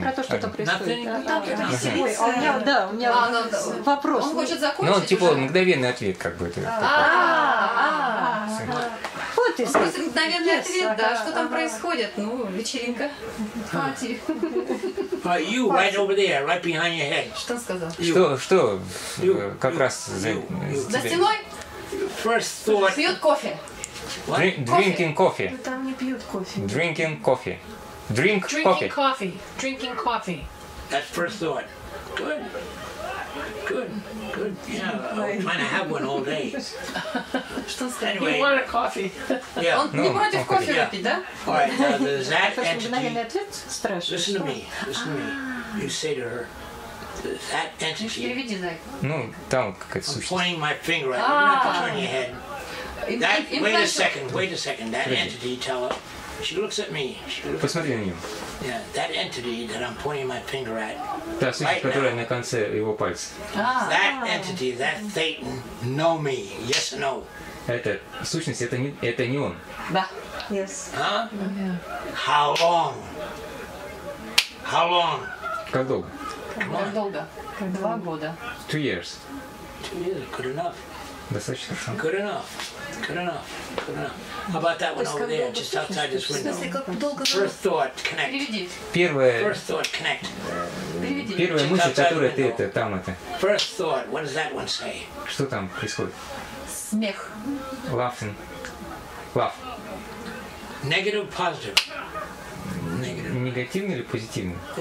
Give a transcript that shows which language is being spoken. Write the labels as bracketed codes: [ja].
[ru] Про то, что-то происходит. Нет, да, нет, а, нет, нет. Да, у меня вопрос. Он хочет закончить. Ну, он, типа, уже. Мгновенный ответ, как бы. Вот и все. Просто мгновенный ответ, да. Что там происходит? Ну, вечеринка. Пати. [en] You, right over there, right behind your head. [ru] Что он сказал? Что, что? Как раз за стеной? [en] First thought. [ru] Пьют кофе. [en] Drinking coffee. [ru] Там не пьют кофе. [en] Drinking coffee. Drinking coffee. That's first thought. Good. Yeah, I'm trying to have one all day. Anyway. You want a coffee. Yeah. [ru] Он не против кофе выпить, да? [en] All right, now there's that entity. Listen to me. You say to her, that entity. [ru] Переведи, Зай. Ну, там какая-то сущность. [en] I'm pointing my finger at you. You don't have to turn your head. Wait a second. That entity, tell her. She looks at me. [ru] Посмотри на нее. [en] Yeah, that entity that I'm pointing my finger at. [ru] Та сущность, которая на конце его пальца. [en] That entity, that Thetan, know me. Yes or no? [ru] Это сущность, это не он. Да. [en] Yes. Huh? How long? How long? [ru] Как долго? Как долго? Как два года. [en] 2 years. 2 years, good enough. [ru] Достаточно хорошо. [en] Good enough. Good enough. Good enough. How about that one over there, just outside this window? First thought, connect. First thought, connect. [ru] Первая мысль, которая ты это, там это. [en] First thought, what does that one say? [ru] Что там происходит? Смех. [en] Laughing. Laugh. Negative, positive. [ru] Негативный или позитивный?